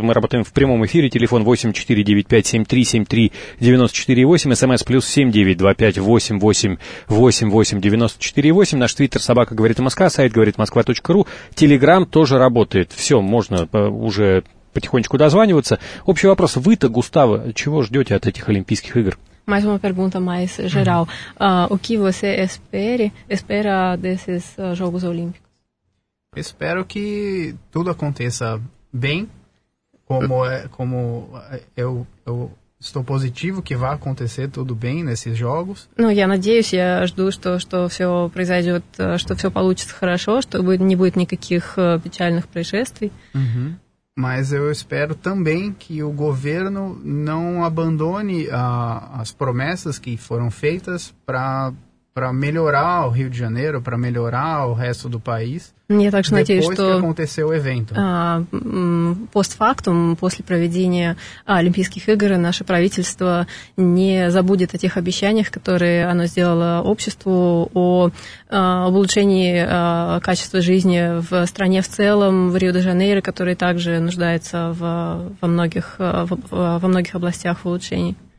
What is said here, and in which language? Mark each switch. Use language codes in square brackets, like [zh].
[ru] Мы работаем в прямом эфире, телефон 8495-7373-94-8, смс плюс 7925-888-94-8, наш твиттер «Собака говорит Москва», сайт говорит Москва.ру, телеграм тоже работает. Все, можно уже потихонечку дозваниваться. Общий вопрос. Вы-то, Густаво, чего ждете от этих Олимпийских игр? [pt] Mais uma pergunta mais geral. O que você espera desses Jogos Olímpicos? Espero que tudo aconteça bem, como eu estou positivo que vai acontecer tudo bem nesses Jogos. [ru] Ну, я надеюсь, я жду, что все произойдет, что все получится хорошо, что не будет никаких печальных происшествий. [pt] Mas eu espero também que o governo não abandone as promessas que foram feitas para melhorar o Rio de Janeiro, para melhorar o resto do país. [ru] Я так же надеюсь, что [pt] aconteceu o evento. [ru] Постфактум, после проведения Олимпийских игр, наше правительство не забудет о тех обещаниях, которые оно сделало обществу, об улучшении качества жизни в стране в целом, в Рио-де-Жанейро, который также нуждается во многих областях в улучшении.